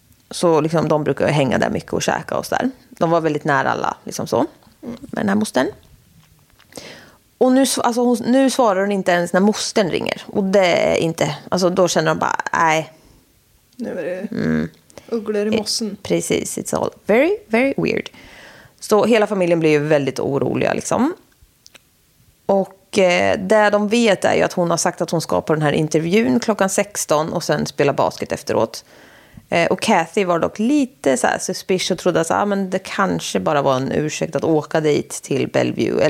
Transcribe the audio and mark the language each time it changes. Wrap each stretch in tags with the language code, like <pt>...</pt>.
<sv>Så liksom de brukar hänga där mycket och käka och så där. De var väldigt nära alla, liksom så. Med den här mostern. Och nu svarar hon inte ens när mostern ringer. Och det är inte... Alltså då känner de bara, nej. Nu är det ugglor i mossen. Precis,</sv> <en>it's all very, very weird.</en> <sv>Så hela familjen blir ju väldigt oroliga liksom. Och det de vet är ju att hon har sagt att hon ska på den här intervjun klockan 16 och sen spela basket efteråt. Och Kathy var dock lite så här suspicious och trodde att men det kanske bara var en ursäkt att åka dit till Bellevue.</sv>